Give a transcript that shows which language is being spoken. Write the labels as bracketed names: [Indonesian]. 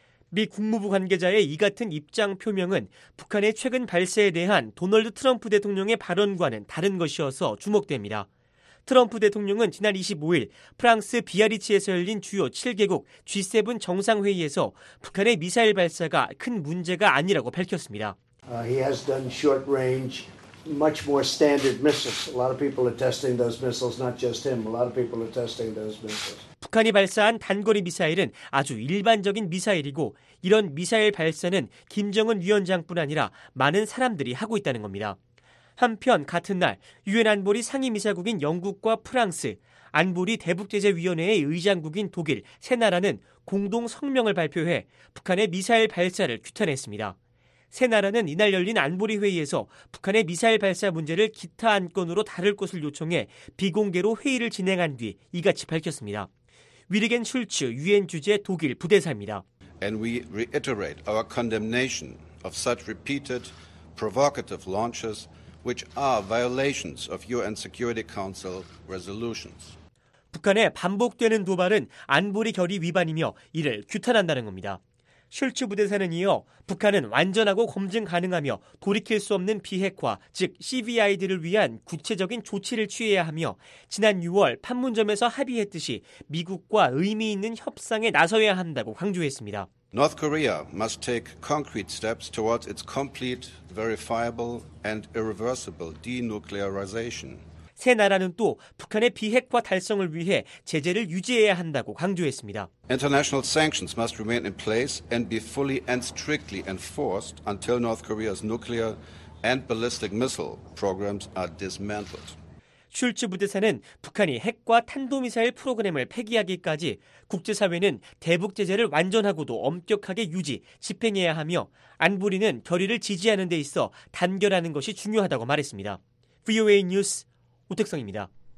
[Korean] 미 국무부 관계자의 이 같은 입장 표명은 북한의 최근 발사에 대한 도널드 트럼프 대통령의 발언과는 다른 것이어서 주목됩니다. 트럼프 대통령은 지난 25일 프랑스 비아리치에서 열린 주요 7개국 G7 정상회의에서 북한의 미사일 발사가 큰 문제가 아니라고 밝혔습니다. [English] He has done short range, much more standard missiles. A lot of people are testing those missiles, not just him. A lot of people are testing those missiles. [Korean] 북한이 발사한 단거리 미사일은 아주 일반적인 미사일이고 이런 미사일 발사는 김정은 위원장뿐 아니라 많은 사람들이 하고 있다는 겁니다. 한편 같은 날 유엔 안보리 상임이사국인 영국과 프랑스, 안보리 대북제재위원회의 의장국인 독일 세 나라는 공동 성명을 발표해 북한의 미사일 발사를 규탄했습니다. 세 나라는 이날 열린 안보리 회의에서 북한의 미사일 발사 문제를 기타 안건으로 다룰 것을 요청해 비공개로 회의를 진행한 뒤 이같이 밝혔습니다. 위르겐 슐츠 유엔 주재 독일 부대사입니다. [English] And we reiterate our condemnation of such repeated provocative launches which are violations of UN Security Council resolutions. [Korean] 북한의 반복되는 도발은 안보리 결의 위반이며 이를 규탄한다는 겁니다. 슐츠 부대사는 이어 북한은 완전하고 검증 가능하며 돌이킬 수 없는 비핵화, 즉 CVID를 위한 구체적인 조치를 취해야 하며 지난 6월 판문점에서 합의했듯이 미국과 의미 있는 협상에 나서야 한다고 강조했습니다. [English] North Korea must take concrete steps towards its complete, verifiable and irreversible denuclearization. [Korean] 세 나라는 또 북한의 비핵화 달성을 위해 제재를 유지해야 한다고 강조했습니다. [English] International sanctions must remain in place and be fully and strictly enforced until North Korea's nuclear and ballistic missile programs are dismantled. [Korean] 슐츠 부대사는 북한이 핵과 탄도미사일 프로그램을 폐기하기까지 국제사회는 대북 제재를 완전하고도 엄격하게 유지, 집행해야 하며 안보리는 결의를 지지하는 데 있어 단결하는 것이 중요하다고 말했습니다. VOA 뉴스 오택성입니다.